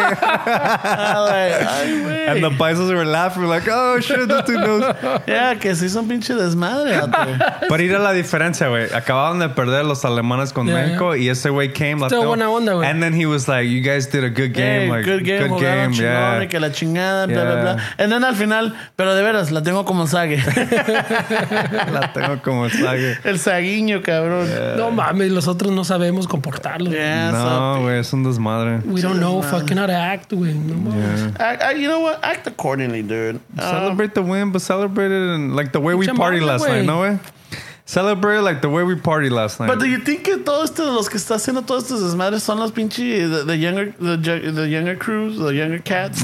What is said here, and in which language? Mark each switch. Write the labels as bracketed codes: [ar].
[en] And the paisas were laughing like, oh shit, this dude knows. [es] Yeah, que si son pinche desmadre. Pero era la diferencia, güey. Acababan de perder los alemanes con México y ese güey came. Still buena onda, güey. [en] And then he was like, you guys did a good game. like, [es] good game. Yeah. Chingone, que la chingada, yeah. Blah, blah, blah. And then al final, pero de veras, la tengo como el Sage. La tengo. Como el Sague. El Saguinho, cabrón. Yeah. No mames, los otros no sabemos comportarlo. No, güey, es un desmadre. [en] We don't know fucking how to act, güey. [es] No [en] mames. You know what? Act accordingly, dude. Celebrate the win, but celebrate it in, like the way we party last night, no way? Celebrate like the way we party last night. [es] But do you think que todos estos, los que está haciendo todos estos desmadres son los pinches, the younger cats?